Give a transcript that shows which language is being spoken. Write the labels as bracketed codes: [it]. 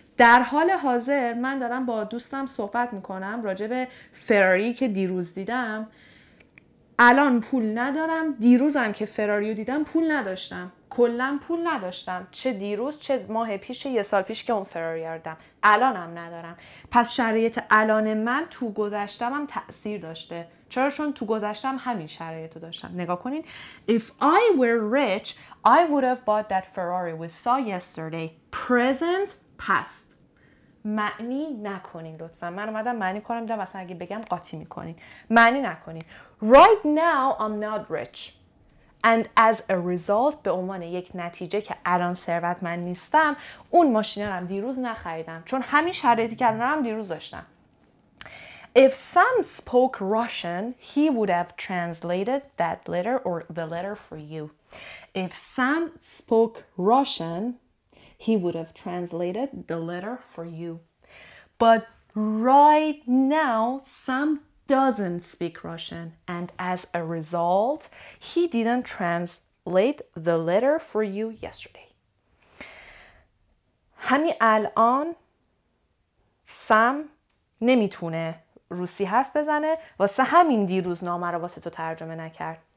[fa] در حال حاضر من دارم با دوستم صحبت میکنم راجع به فراری که دیروز دیدم. الان پول ندارم، دیروزم که فراری رو دیدم پول نداشتم. کلن پول نداشتم، چه دیروز چه ماه پیش یه سال پیش که اون فراری آردم، الانم ندارم. پس شرایط الان من تو گذشتم هم تأثیر داشته. چرا؟ چون تو گذشتم همین شرایط رو داشتم. نگاه کنین، [en] If I were rich I would have bought that Ferrari we saw yesterday. [fa] Present past. معنی نکنین لطفا. من اومدم معنی کنم دیدم اصلا اگه بگم قاطی میکنین. معنی نکنین. [en] Right now I'm not rich and as a result [fa] به عنوان یک نتیجه که الان ثروتمند نیستم اون ماشین رو دیروز نخریدم چون همین شرایطی که دارم دیروز داشتم. [en] If Sam spoke Russian he would have translated that letter or the letter for you. If Sam spoke Russian he would have translated the letter for you. But right now Sam doesn't speak Russian and as a result he didn't translate the letter for you yesterday. [fa] همین الان سم نمیتونه روسی حرف بزنه واسه همین دیروز نامه رو واسه تو ترجمه نکرد.